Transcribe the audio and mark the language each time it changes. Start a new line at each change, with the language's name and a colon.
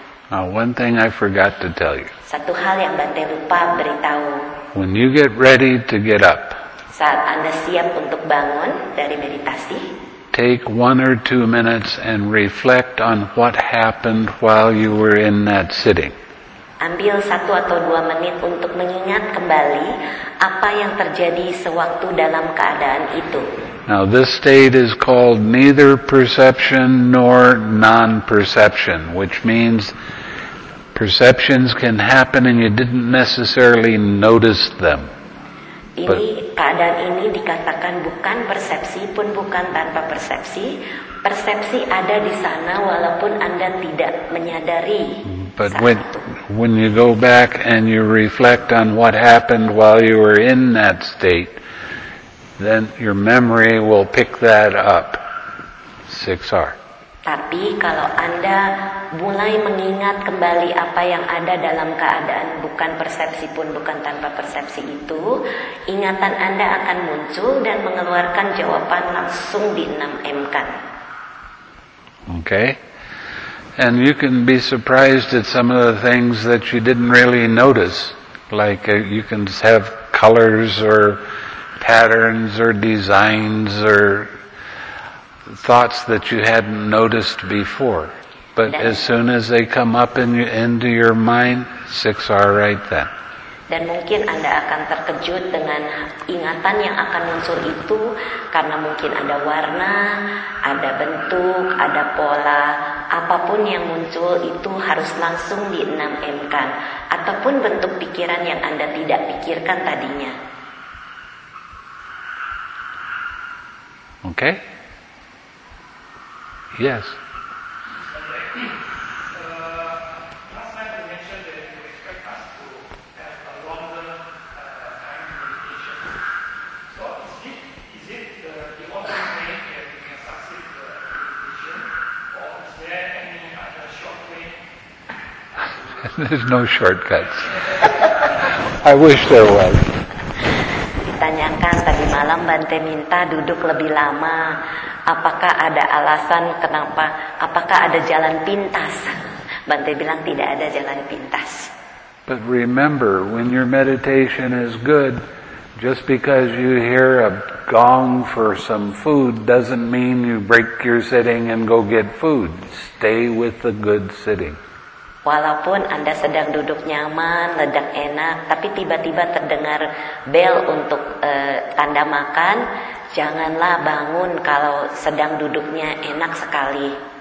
English: Now, one thing I forgot to tell you.
Indonesian: Satu hal yang Bante lupa beritahu.
English: When you get ready to get up.
Indonesian: Saat Anda siap untuk bangun dari meditasi.
English: Take 1 or 2 minutes and reflect on what happened while you were in that sitting.
Indonesian: Ambil 1 atau 2 menit untuk mengingat kembali apa yang terjadi sewaktu dalam keadaan itu.
English: Now this state is called neither perception nor non-perception, which means perceptions can happen and you didn't necessarily notice them.
Indonesian: Ini keadaan ini dikatakan bukan persepsi pun bukan tanpa persepsi. Persepsi ada di sana walaupun Anda tidak menyadari.
English: But when you go back and you reflect on what happened while you were in that state, then your memory will pick that up. 6R.
Indonesian: Tapi kalau Anda mulai mengingat kembali apa yang ada dalam keadaan bukan persepsi pun bukan tanpa persepsi itu, ingatan Anda akan muncul dan mengeluarkan jawaban langsung di 6M kan.
English: Okay. And you can be surprised at some of the things that you didn't really notice. Like you can have colors or patterns or designs or thoughts that you hadn't noticed before. But as soon as they come up into your mind, 6R right then.
Indonesian: Dan mungkin Anda akan terkejut dengan ingatan yang akan muncul itu karena mungkin ada warna, ada bentuk, ada pola, apapun yang muncul itu harus langsung di 6M-kan ataupun bentuk pikiran yang Anda tidak pikirkan tadinya.
English: Okay? Yes. There's no shortcuts. I wish there was.
Indonesian: Ditanyakan tadi malam Bante minta duduk lebih lama. Apakah ada alasan kenapa? Apakah ada jalan pintas? Bante bilang tidak ada jalan pintas.
English: But remember, when your meditation is good, just because you hear a gong for some food doesn't mean you break your sitting and go get food. Stay with the good sitting.
Indonesian: Walaupun Anda sedang duduk nyaman, ledak enak, tapi tiba-tiba terdengar bel untuk tanda makan, janganlah bangun kalau sedang duduknya enak sekali.